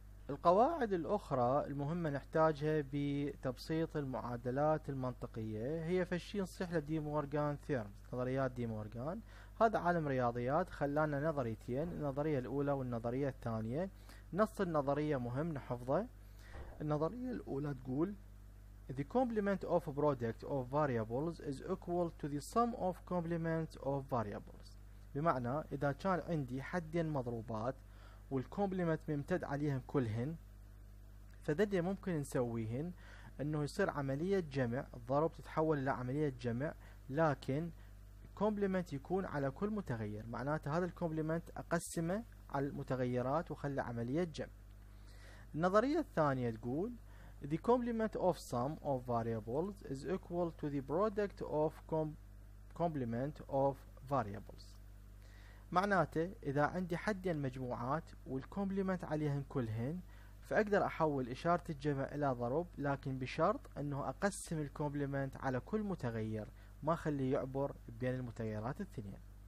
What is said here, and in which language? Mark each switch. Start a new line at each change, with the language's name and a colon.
Arabic: القواعد الأخرى المهمة نحتاجها بتبسيط المعادلات المنطقية هي فشي نصيح لدي مورغان ثيرم، نظريات دي مورغان. هذا عالم رياضيات خلانا نظريتين، النظرية الأولى والنظرية الثانية. نص النظرية مهم نحفظه. النظرية الأولى تقول
English: The complement of a product of variables is equal to the sum of complements of variables.
Arabic: بمعنى إذا كان عندي حدين مضروبات والكومبلمنت ممتد عليهم كلهن، فذلك ممكن نسويهن أنه يصير عملية جمع، الضرب تتحول إلى عملية جمع، لكن كومبلمنت يكون على كل متغير، معناته هذا الكومبلمنت أقسمه على المتغيرات وخلي عملية جمع. النظرية الثانية تقول
English: The complement of sum of variables is equal to the product of complement of variables.
Arabic: معناته إذا عندي حدين مجموعات والكومبلمنت عليهم كلهن، فأقدر أحول إشارة الجمع إلى ضرب، لكن بشرط أنه أقسم الكومبلمنت على كل متغير، ما خليه يعبر بين المتغيرات الاثنين.